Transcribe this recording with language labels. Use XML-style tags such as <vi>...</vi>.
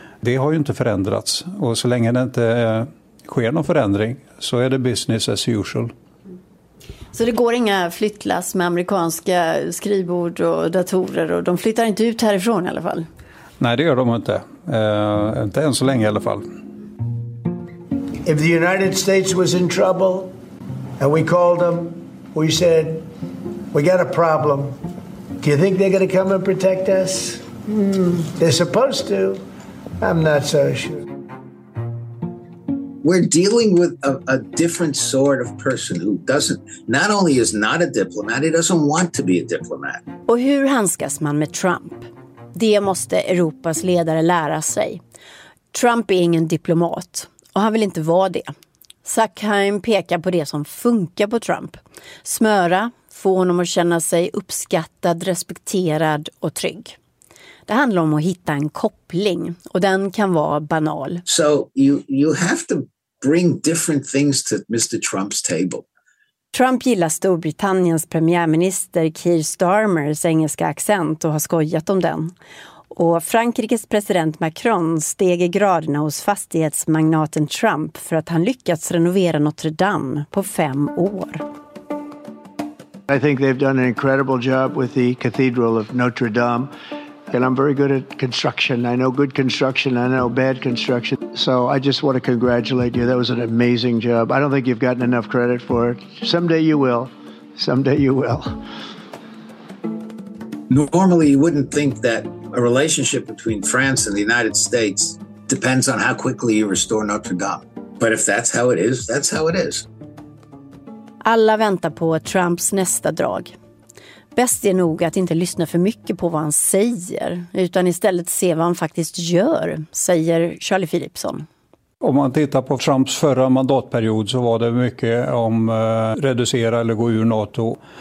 <sv>Det har ju inte förändrats och så länge det inte sker någon förändring så är det</sv> <en>business as usual.</en> <sv>Så det går inga flyttlass med amerikanska skrivbord och datorer och de flyttar inte ut härifrån i alla fall? Nej, det gör de inte. Inte än så länge i alla fall.</sv> <en>If the United States was in trouble and we called them, we said, we got a problem. Do you think they're going to come and protect us? They're supposed to. I'm not so sure. We're dealing with a different sort of person who doesn't, not only is not a diplomat, he doesn't want to be a diplomat.</en> <sv>Och hur handskas man med Trump? Det måste Europas ledare lära sig. Trump är ingen diplomat och han vill inte vara det. Sackheim pekar på det som funkar på Trump. Smöra, få honom att känna sig uppskattad, respekterad och trygg. Det handlar om att hitta en koppling och den kan vara banal.</sv> <en>So you have to bring different things to Mr. Trump's table.</en> <sv>Trump gillar Storbritanniens premiärminister Keir Starmers engelska accent och har skojat om den. Och Frankrikes president Macron steg i graderna hos fastighetsmagnaten Trump för att han lyckats renovera Notre Dame på 5 år.</sv> <en>I think they've done an incredible job with the Cathedral of Notre Dame. And I'm very good at construction. I know good construction, I know bad construction. So I just want to congratulate you. That was an amazing job. I don't think you've gotten enough credit for it. Someday you will. Someday you will. Normally you wouldn't think that a relationship between France and the United States depends on how quickly you restore Notre Dame. But if that's how it is, that's how it is.</en> <sv>Alla väntar på Trumps nästa drag. Bäst är nog att inte lyssna för mycket på vad han säger, utan istället se vad han faktiskt gör, säger Charlie Philipson. Om man tittar på Trumps förra mandatperiod så var det mycket om reducera eller gå ur NATO.</sv>